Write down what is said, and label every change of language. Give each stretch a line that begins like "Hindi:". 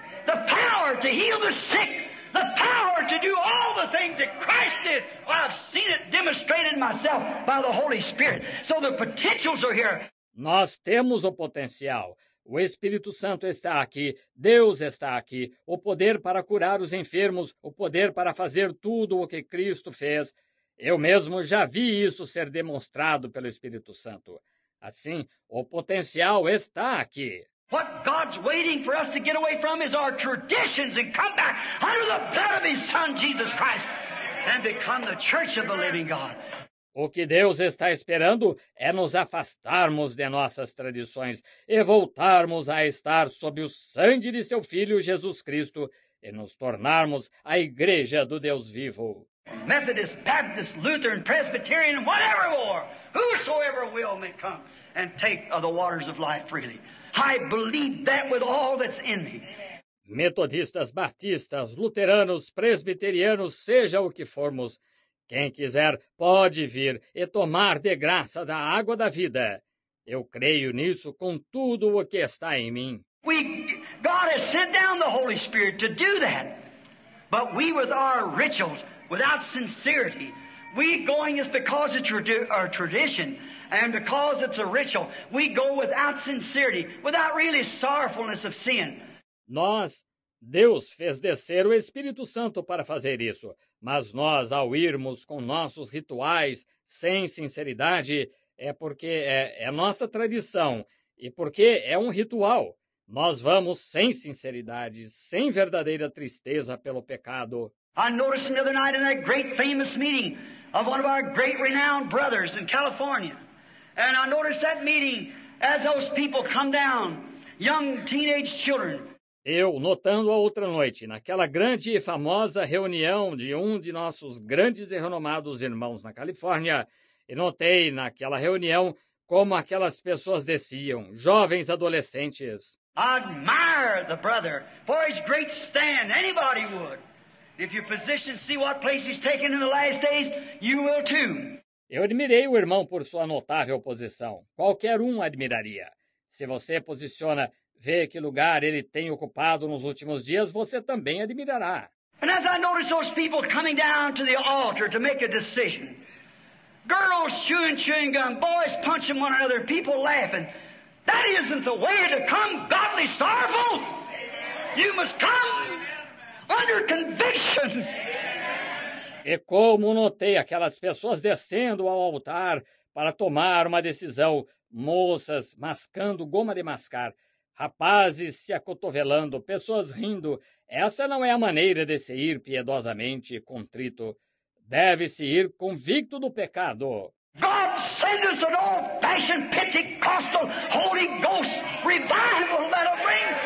English: The power to heal the sick. The power to do all the things that Christ did. Well, I've seen it demonstrated myself by the Holy Spirit. So the potentials are here.
Portuguese: Nós temos o potencial. O Espírito Santo está aqui. Deus está aqui. O poder para curar os enfermos. O poder para fazer tudo o que Cristo fez. Eu mesmo já vi isso ser demonstrado pelo Espírito Santo. Assim, o potencial está aqui.
English: What God's waiting for us to get away from is our traditions and come back under the blood of His Son, Jesus Christ, and become the church of the living God.
Portuguese: O que Deus está esperando é nos afastarmos de nossas tradições e voltarmos a estar sob o sangue de Seu Filho, Jesus Cristo, e nos tornarmos a igreja do Deus vivo.
English: Methodist, Baptist, Lutheran, Presbyterian, whatever war, whosoever will may come and take of the waters of life freely. I believe that with all that's in me.
Portuguese: Metodistas, batistas, luteranos, presbiterianos, seja o que formos, quem quiser pode vir e tomar de graça da água da vida. Eu creio nisso com tudo o que está em mim.
English: God has sent down the Holy Spirit to do that. But we with our rituals, without sincerity, we going is because it's our tradition. And because it's a ritual, we go without sincerity, without really sorrowfulness of sin.
Portuguese: Nós, Deus fez descer o Espírito Santo para fazer isso. Mas nós, ao irmos com nossos rituais sem sinceridade, é porque é nossa tradição e porque é um ritual. Nós vamos sem sinceridade, sem verdadeira tristeza pelo pecado.
English: I noticed the other night in that great famous meeting of one of our great renowned brothers in California. And I noticed that meeting as those people come down, young teenage children.
Portuguese: Eu, notando a outra noite, naquela grande e famosa reunião de um de nossos grandes e renomados irmãos na Califórnia, e notei naquela reunião como aquelas pessoas desciam, jovens adolescentes.
English: I admire the brother for his great stand. Anybody would. If your position see what place he's taken in the last days, you will too.
Portuguese: Eu admirei o irmão por sua notável posição. Qualquer um admiraria. Se você posiciona, vê que lugar ele tem ocupado nos últimos dias, você também admirará.
English: And as I noticed those people coming down to the altar to make a decision, girls chewing gum, boys punching one another, people laughing, that isn't the way to come godly sorrowful. You must come under conviction.
Portuguese: E como notei aquelas pessoas descendo ao altar para tomar uma decisão, moças mascando goma de mascar, rapazes se acotovelando, pessoas rindo, essa não é a maneira de se ir piedosamente e contrito. Deve-se ir convicto do pecado.
English: God send us an old-fashioned Pentecostal Holy Ghost revival that'll bring.